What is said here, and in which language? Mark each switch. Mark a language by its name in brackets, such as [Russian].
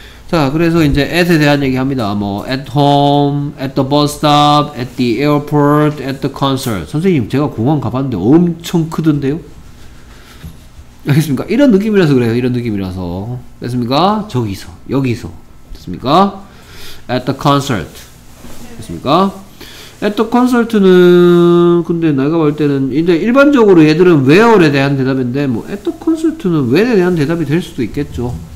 [Korean] 자, 그래서 이제 at에 대한 얘기합니다. 뭐 [English] at home, at the bus stop, at the airport, at the concert. [Korean] 선생님 제가 공항 가봤는데 엄청 크던데요? 알겠습니까? 이런 느낌이라서 그래요. 이런 느낌이라서. 됐습니까? 저기서, 여기서. 됐습니까? [English] At the concert. [Korean] 됐습니까? [English] At the concert [Korean] 는 근데 내가 볼 때는 이제 일반적으로 얘들은 where에 대한 대답인데 뭐 [English] at the concert [Korean] 는 when에 대한 대답이 될 수도 있겠죠.